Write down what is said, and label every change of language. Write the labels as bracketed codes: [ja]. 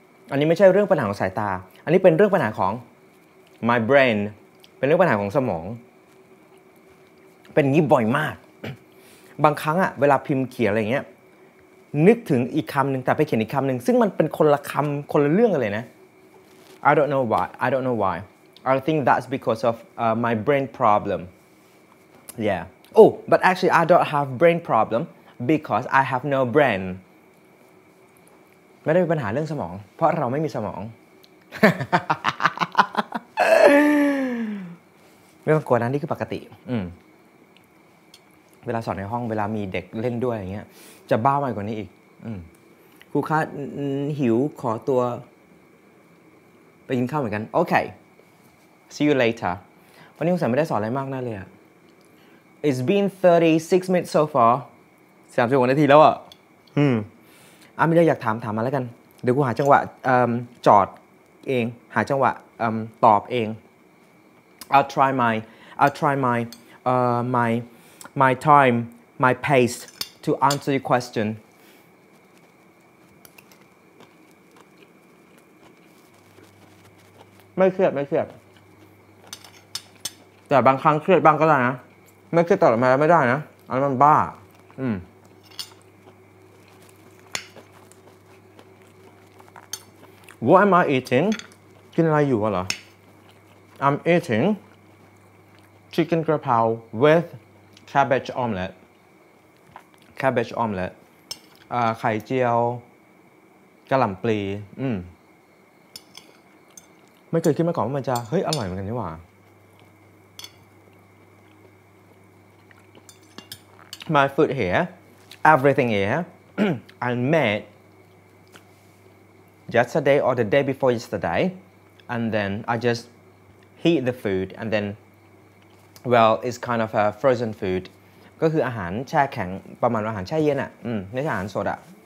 [th] อันนี้ไม่ใช่เรื่องปัญหาของสายตาอันนี้เป็นเรื่องปัญหาของ [en] my brain [th] เป็นเรื่องปัญหาของสมองเป็นงี้บ่อยมากบางครั้งอ่ะเวลาพิมพ์เขียนอะไรเงี้ยนึกถึงอีกคำหนึ่งแต่ไปเขียนอีกคำหนึ่งซึ่งมันเป็นคนละคำคนละเรื่องกันเลยนะ [en] I don't know why I think that's because of my brain problem yeah oh but actually I don't have brain problem because I have no brain [th] ไม่ได้มีปัญหาเรื่องสมองเพราะเราไม่มีสมองไม่ต้องกลัวนะนี่คือปกติเวลาสอนในห้องเวลามีเด็กเล่นด้วยอย่างเงี้ยจะบ้าไปกว่านี้อีกครูคะหิวขอตัวไปกินข้าวเหมือนกันโอเค [en] see you later [th] วันนี้คุณสันไม่ได้สอนอะไรมากน่าเลยอ่ะ [en] it's been 36 minutes so far [th] 36 นาทีแล้วอ่ะไม่ได้อยากถามมาแล้วกันเดี๋ยวกูหาจังหวะจอดเองหาจังหวะตอบเอง [en] I'll try my time, my pace to answer your question. [th] ไม่เครียดไม่เครียดแต่บางครั้งเครียดบ้างก็ได้นะไม่เครียดตลอดมาไม่ได้นะอันนั้นมันบ้า [en] What am I eating? [th] กินอะไรอยู่เหรอ [en] I'm eating chicken gra pao withCabbage omelet. [th] ไข่เจียวกะหล่ำปลีไม่เคยคิดมาก่อนว่ามันจะเฮ้ยอร่อยเหมือนกันนี่หว่าม [en] า food here everything here I met yesterday or the day before yesterday and then I just heat the food and then well it's kind of a frozen food [th] ก็คืออาหารแช่แข็งประมาณอาหารแช่เย็นอ่ะไม่ใช่อาหารสดอ่ะ